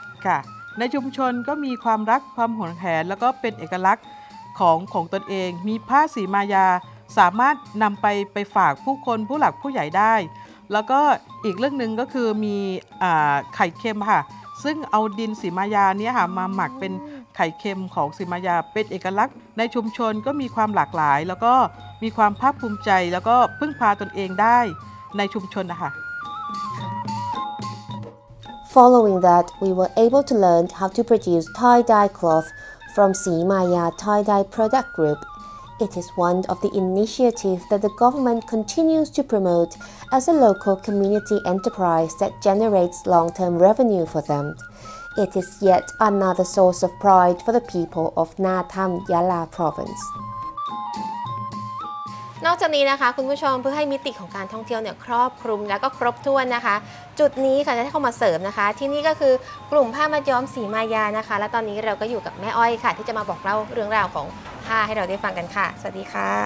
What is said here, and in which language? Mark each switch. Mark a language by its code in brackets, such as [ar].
[th] ค่ะในชุมชนก็มีความรักความหวงแหนแล้วก็เป็นเอกลักษณ์ของตนเองมีผ้าสีมายาสามารถนำไปฝากผู้คนผู้หลักผู้ใหญ่ได้แล้วก็อีกเรื่องนึงก็คือมีไข่เค็มค่ะซึ่งเอาดินสีมายาเนี้ยค่ะมาหมักเป็นไข่เค็มของสีมายาเป็นเอกลักษณ์ในชุมชนก็มีความหลากหลายแล้วก็มีความภาคภูมิใจแล้วก็พึ่งพาตนเองได้ในชุมชนนะคะ [en] Following that, we were able to learn how to produce tie-dye cloth from Simaya Tie-Dye Product Group. It is one of the initiatives that the government continues to promote as a local community enterprise that generates long-term revenue for them. it is yet another source of pride for the people of Na Tham Yala Province. [th] นอกจากนี้นะคะคุณผู้ชมเพื่อให้มิติของการท่องเที่ยวเนี่ยครอบคลุมและก็ครบถ้วนนะคะจุดนี้ค่ะจะได้เข้ามาเสริมนะคะที่นี่ก็คือกลุ่มผ้ามัดย้อมสีมายานะคะและตอนนี้เราก็อยู่กับแม่อ้อยค่ะที่จะมาบอกเล่าเรื่องราวของผ้าให้เราได้ฟังกันค่ะสวัสดีค่ะ